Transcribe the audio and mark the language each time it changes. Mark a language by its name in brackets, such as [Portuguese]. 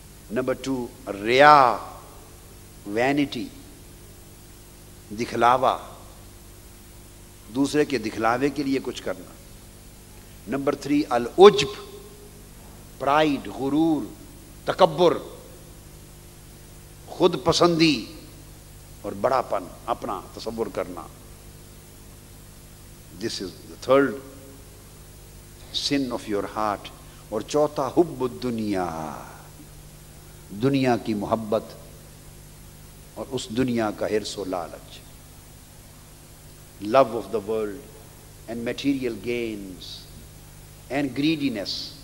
[Urdu] Number two ریا، vanity, دکھلاوا، دوسرے کے دکھلاوے کے لیے کچھ کرنا. نمبر تھری العجب، پرائیڈ، غرور، تکبر، خود پسندی اور بڑا پن اپنا تصور کرنا. [English] This is the third sin of your heart. [Urdu] اور چوتھا حب الدنیا، دنیا کی محبت اور اس دنیا کا حرص و لالچ، [English] Love of the world and material gains and greediness.